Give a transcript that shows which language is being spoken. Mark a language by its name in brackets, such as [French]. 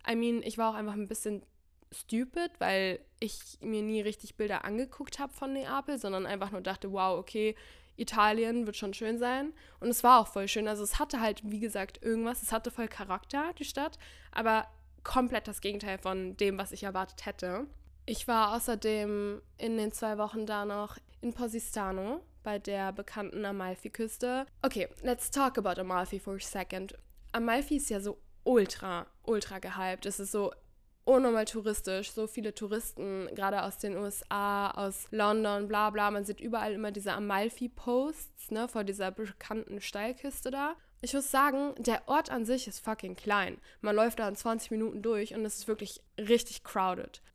[English] I mean, [German] ich war auch einfach ein bisschen stupid, weil ich mir nie richtig Bilder angeguckt habe von Neapel, sondern einfach nur dachte, wow, okay, Italien wird schon schön sein. Und es war auch voll schön. Also es hatte halt, wie gesagt, irgendwas. Es hatte voll Charakter, die Stadt, aber komplett das Gegenteil von dem, was ich erwartet hätte. Ich war außerdem in den 2 Wochen da noch in Positano, bei der bekannten Amalfi-Küste. [English] Okay, let's talk about Amalfi for a second. [German] Amalfi ist ja so ultra, ultra gehypt. Es ist so unnormal touristisch, so viele Touristen, gerade aus den USA, aus London, bla bla. Man sieht überall immer diese Amalfi-Posts, ne, vor dieser bekannten Steilküste da. Ich muss sagen, der Ort an sich ist fucking klein. Man läuft da in 20 Minuten durch und es ist wirklich richtig crowded.